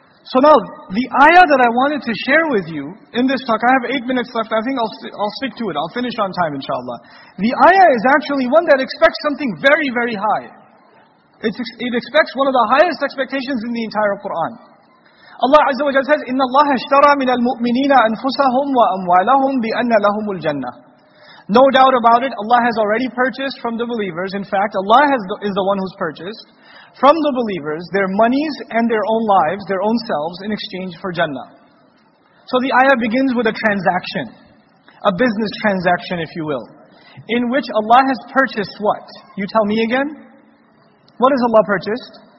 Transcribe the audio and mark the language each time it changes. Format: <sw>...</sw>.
<en>So now, the ayah that I wanted to share with you in this talk, I have 8 minutes left, I think I'll stick to it, I'll finish on time inshallah. The ayah is actually one that expects something very, very high. It expects one of the highest expectations in the entire Qur'an. Allah Azza wa Jalla says,</en> <ar>إِنَّ اللَّهَ اشْتَرَى مِنَ الْمُؤْمِنِينَ أَنفُسَهُمْ وَأَمْوَالَهُمْ بِأَنَّ لَهُمُ الْجَنَّةِ</ar> <en>No doubt about it, Allah has already purchased from the believers. In fact, Allah is the one who's purchased from the believers their monies and their own lives, their own selves, in exchange for Jannah. So the ayah begins with a transaction, a business transaction, if you will, in which Allah has purchased what? You tell me again. What has Allah purchased?</en>